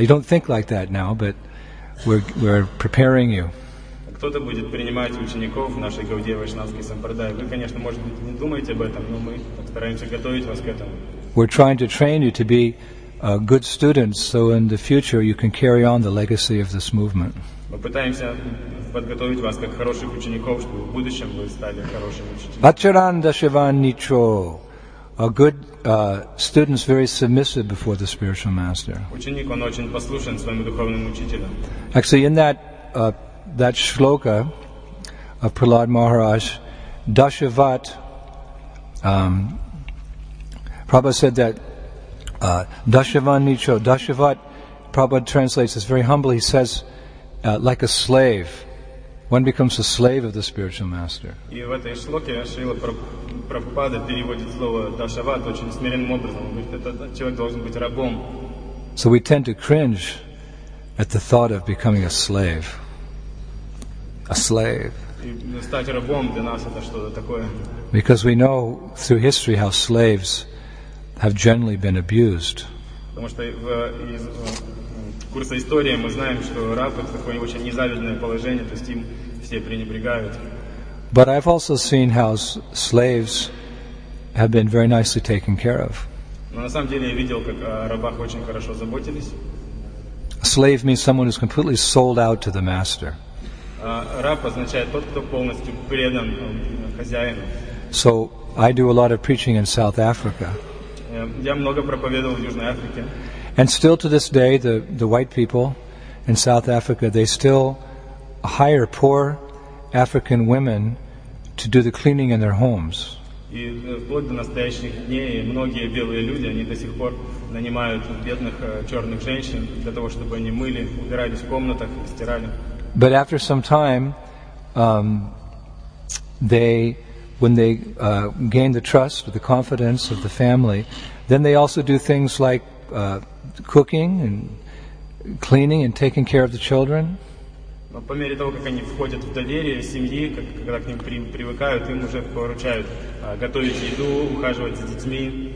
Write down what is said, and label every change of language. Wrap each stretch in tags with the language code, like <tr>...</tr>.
<en>You don't think like that now, but we're preparing you.</en> <ru>Кто-то будет принимать учеников в нашей Гаудия Вайшнавской Сампрадае. Вы, конечно, может быть, не думаете об этом, но мы стараемся готовить вас к этому.</ru> <en>We're trying to train you to be good students, so in the future you can carry on the legacy of this movement.</en> <ru>Мы пытаемся подготовить вас как хороших учеников, чтобы в будущем вы стали хорошими учениками.</ru> <sa>Acharan dashavan nicho.</sa> <en>A good student is very submissive before the spiritual master.</en> <ru>Ученик, он очень послушен своему духовному учителю.</ru> <en>Actually, in that that shloka of Prahlad Maharaj, dashavat, Prabhupada said that</en> <sa>dashavan nicho,</sa> <en>dashavat, Prabhupada translates this very humbly. He says, like a slave, one becomes a slave of the spiritual master.</en> <ru>И в этой шлоке Шрила Прабхупада переводит слово дашават очень смиренным образом. Он говорит, этот человек должен быть рабом.</ru> <en>So we tend to cringe at the thought of becoming a slave. A slave.</en> <ru>И стать рабом для нас это что-то такое.</ru> <en>Because we know through history how slaves have generally been abused.</en> <ru>Потому что из курса истории мы знаем, что раб это такое очень незавидное положение, то есть им все пренебрегают.</ru> <en>But I've also seen how slaves have been very nicely taken care of.</en> <ru>Но на самом деле я видел, как о рабах очень хорошо заботились.</ru> <en>Slave means someone who's completely sold out to the master.</en> <ru>Раб означает тот, кто полностью предан хозяину.</ru> <en>So I do a lot of preaching in South Africa.</en> <ru>Я много проповедовал в Южной Африке.</ru> <en>And still to this day, the white people in South Africa, they still hire poor African women to do the cleaning in their homes.</en> <ru>И вплоть до настоящих дней многие белые люди, они до сих пор нанимают бедных черных женщин для того, чтобы они мыли, убирались в комнатах и стирали.</ru> <en>But after some time, gain the trust or the confidence of the family, then they also do things like cooking and cleaning and taking care of the children.</en> <ru>Но по мере того, как они входят в доверие семьи, когда к ним привыкают, им уже поручают готовить еду, ухаживать за детьми.</ru>